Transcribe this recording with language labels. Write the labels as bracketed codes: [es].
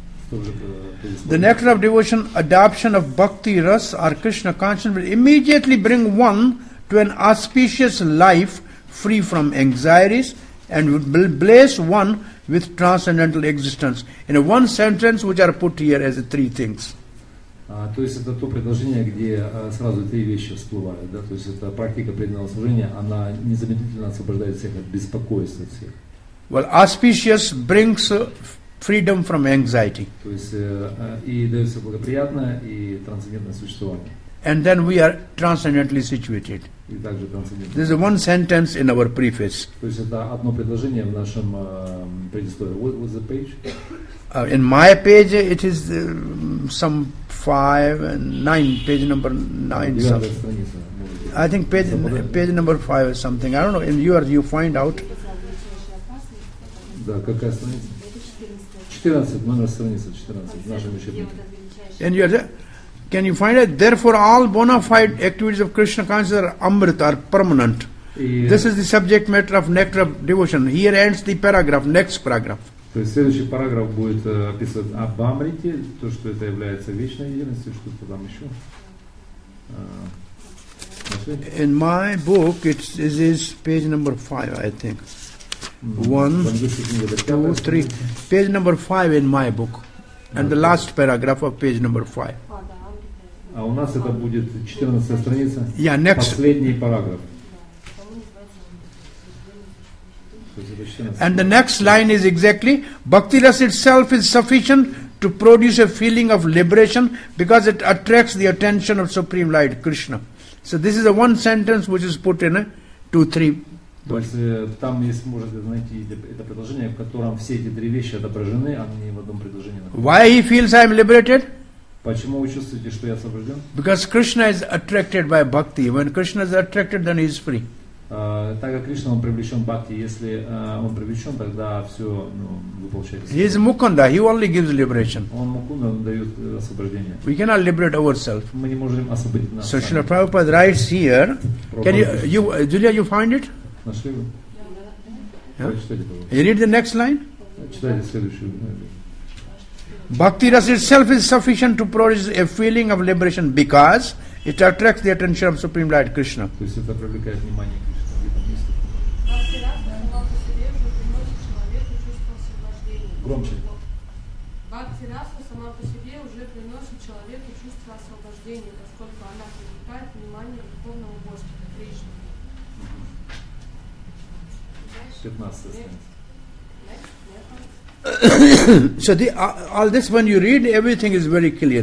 [en] The nectar of devotion, adoption of bhakti ras or Krishna consciousness will immediately bring one to an auspicious life free from anxieties and will bless one with transcendental existence. In one sentence, which are put here as the three things. [ru] То есть это то предложение, где сразу три вещи всплывают, да? То есть это практика преданного служения, она незамедлительно освобождает всех от беспокойств, от всех. [en] Well, auspicious brings freedom from anxiety. [ru] То есть и дается благоприятное, и трансцендентное существование. [en] And then we are transcendentally situated. This is one sentence in our preface. [ru] То есть это одно предложение в нашем предисловии. [en] What's the page? In my page, it is some 5 and 9, page number 9. [ru] Страница, [en] I think page number 5 or something. I don't know. In yours, you find out. [ru] Да, какая страница? 14, номер страницы 14 в нашем учебнике. [en] And yours. Can you find it? Therefore, all bona fide activities of Krishna consciousness are amrit, are permanent. This is the subject matter of nectar of devotion. Here ends the paragraph. Next paragraph. [ru] То есть следующий параграф будет описывать об Амрите, то, что это является вечной единостью, что-то там еще. [en] In my book, it is page number 5, I think. One, two, three. Page number 5 in my book. And the last paragraph of page number 5. [ru] А у нас это будет 14 страница. [en] Yeah, next. [ru] Последний параграф. [en] And the next line is exactly Bhakti Rasa itself is sufficient to produce a feeling of liberation because it attracts the attention of Supreme Light Krishna. So this is a one sentence which is put in a 2-3. [ru] Там есть, можете найти это предложение, в котором все эти три вещи отображены, они в одном предложении. [en] Why he feels I am liberated? [ru] Почему вы чувствуете, что я освобожден? [en] Because Krishna is attracted by bhakti. When Krishna is attracted, then he is free. [ru] Так как Кришна он привлечен бхакти, если он привлечен, тогда все, ну, вы получаете. [en] He is Mukunda, he only gives liberation. [ru] Он Mukunda, он дает освобождение. [en] We cannot liberate ourselves. [ru] Мы не можем освободить нас. [en] So Srila Prabhupada writes here. Can you, Julia, you find it? [ru] Нашли вы? [en] Yeah. You read the next line? [ru] Читайте следующую. [en] Bhakti rasa itself is sufficient to produce a feeling of liberation because it attracts the attention of Supreme Lord Krishna. [ru] То есть это привлекает внимание Кришны. Bhakti rasa приносит человеку чувство освобождения. Громче. Bhakti rasa сама по себе уже приносит человеку чувство освобождения, поскольку она привлекает внимание духовного божества Кришны. 15. [en] So the, all this when you read, everything is very clear.